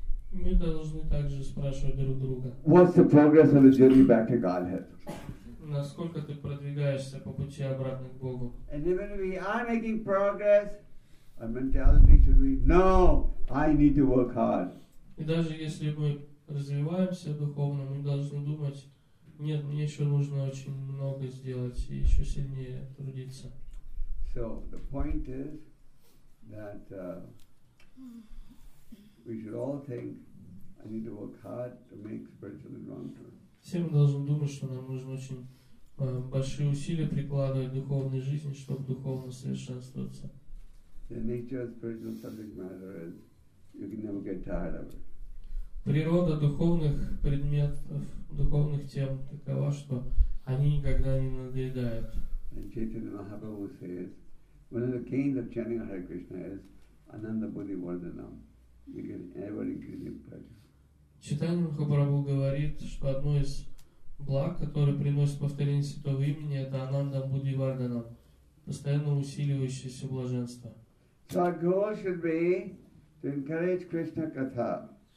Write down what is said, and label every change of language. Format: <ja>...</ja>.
<ru>Мы должны также спрашивать друг друга.</ru> <en>What's the progress of the journey back to Godhead?</en> <ru>Насколько ты продвигаешься по пути обратно к Богу?</ru> <en>And even if we are making progress, our mentality should be, no, I need to work hard.</en> <ru>И даже если мы развиваемся духовно, мы должны думать, нет, мне еще нужно очень много сделать и еще сильнее трудиться.</ru> <en>So the point is that we should all think I need to work hard to make spiritual advancement.</en> <ru>Все мы должны думать, что нам нужно очень большие усилия прикладывать в духовной жизни, чтобы духовно совершенствоваться.</ru> <en>The nature of spiritual subject matter is you can never get tired of it.</en> <ru>Природа духовных предметов, духовных тем такова, что они никогда не надоедают.</ru> <en>And Chaitanya Mahaprabhu says, one of the keys of chanting Hare Krishna is</en> <sa>Ananda Buddhi Vardhanam.</sa> <en>You can ever increase in practice.</en> <ru>Chaitanya Mahaprabhu говорит, что одно из благ, которое приносит повторение святого имени, это</ru> <sa>Ананда Буддхи Варданам,</sa> <ru>постоянно усиливающееся блаженство.</ru> <en>So our goal should be to encourage Krishna Katha.</en>